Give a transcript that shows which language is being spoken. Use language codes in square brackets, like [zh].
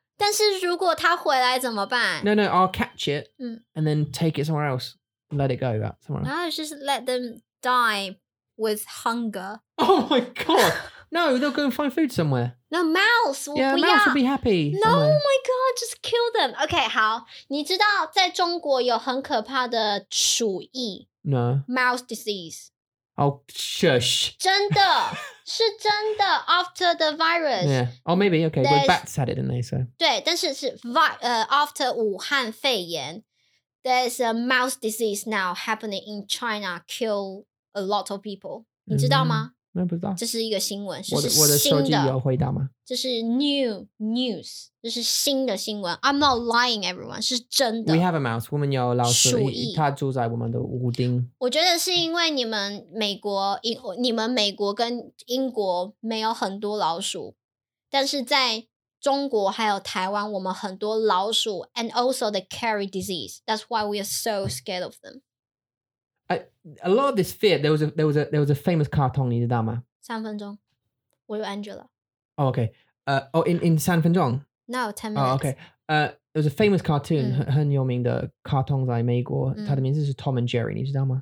[zh] 但是如果它回来怎么办? [en] No, I'll catch it and then take it somewhere else. Let it go about somewhere else. No, it's just let them die with hunger. Oh my god. No, they'll go and find food somewhere. No, mouse. Yeah, mouse will be happy. No, my god, just kill them. Okay, [zh] 好. 你知道在中国有很可怕的鼠疫? [en] No. Mouse disease. Oh, shush. [zh] 真的.是真的. [en] After the virus. Yeah. Oh, maybe. Okay, well, bats had it, didn't they? So. [zh] 对,但是是 [en] after [zh] 武汉肺炎. [en] There's a mouse disease now happening in China, kill a lot of people. [zh] 你知道吗? 不知道。这是一个新闻, 我的手机有回答吗? 这是 [en] new news, [zh] 这是新的新闻. [en] I'm not lying, everyone, [zh] 是真的。 [en] We have a mouse, [zh] 我们有老鼠, 它住在我们的屋顶。我觉得是因为你们美国, 你们美国跟英国没有很多老鼠, 但是在... 中国还有台湾, 我们很多老鼠, [en] and also the carry disease. That's why we are so scared of them. A lot of this fear, there was a famous cartoon, [zh] 你知道吗? 三分钟, 我有 Angela. [en] Oh, okay. In [zh] 三分钟? [en] No, 10 minutes. Oh, okay. There was a famous cartoon, [zh] 很有名的 [en] cartoon [zh] 在美国, 它的名字是 [en] Tom and Jerry, [zh] 你知道吗?